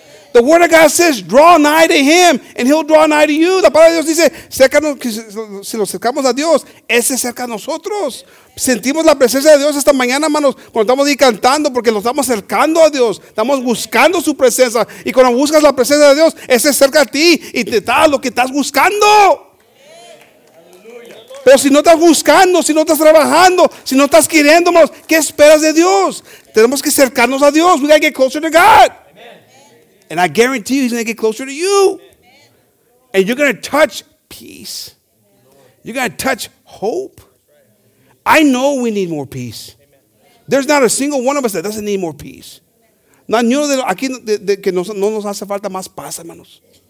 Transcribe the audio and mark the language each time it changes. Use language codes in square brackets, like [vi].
[en] The word of God says, draw nigh to him, and he'll draw nigh to you. [es] La palabra de Dios dice, si nos acercamos a Dios, él se acerca a nosotros. Sentimos la presencia de Dios esta mañana, hermanos, cuando estamos ahí cantando, porque nos estamos acercando a Dios. Estamos buscando su presencia. Y cuando buscas la presencia de Dios, él se acerca a ti y te da lo que estás buscando. Pero si no estás buscando, si no estás trabajando, si no estás queriendo, hermanos, ¿qué esperas de Dios? Tenemos que acercarnos a Dios. [en] We got to get closer to God. And I guarantee you, he's going to get closer to you. Amen. And you're going to touch peace. Amen. You're going to touch hope. I know we need more peace. Amen. There's not a single one of us that doesn't need more peace. [es] No, ni uno de aquí que no nos hace falta más paz, hermanos.